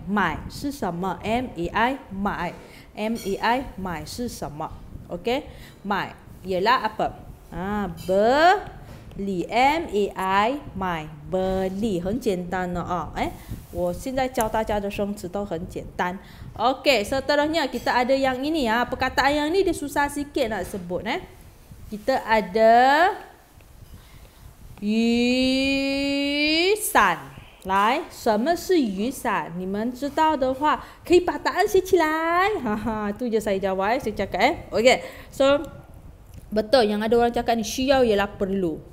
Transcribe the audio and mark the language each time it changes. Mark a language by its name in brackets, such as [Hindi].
[Chinese] mai 是什么？MAI, mai. MAI, mai 是什么？ [Malay] Okay, mai ialah apa? Ah, beli. MAI, mai. Beli, [Chinese] 很简单了啊, eh? 我现在教大家的生词都很简单。 [Malay] Okay, seterusnya kita ada yang ini ya. Perkataan yang ni dia susah sikit nak sebut eh. Kita ada yusan. [Chinese] Lai, 什么是雨伞? 你们知道的话, 可以把答案写起来. [Malay] Haha, tu je saya jawab eh, saya cakap eh. Okay, so betul yang ada orang cakap ni, 需要 ialah perlu.